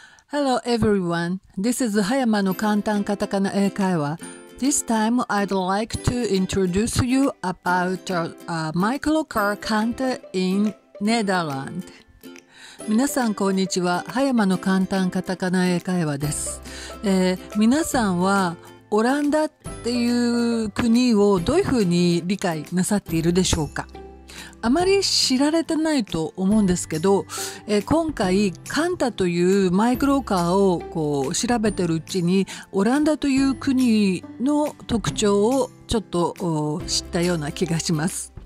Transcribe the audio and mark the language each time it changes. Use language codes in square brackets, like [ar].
[en] Hello everyone, this is Hayama の簡単カタカナ英会話。 This time I'd like to introduce you about a microcar counter in Netherlands. [ja] 皆さんこんにちは、Hayama の簡単カタカナ英会話です。皆さんはオランダっていう国をどういうふうに理解なさっているでしょうか？あまり知られてないと思うんですけど、今回カンタというマイクロカーをこう調べてるうちにオランダという国の特徴をちょっと知ったような気がします。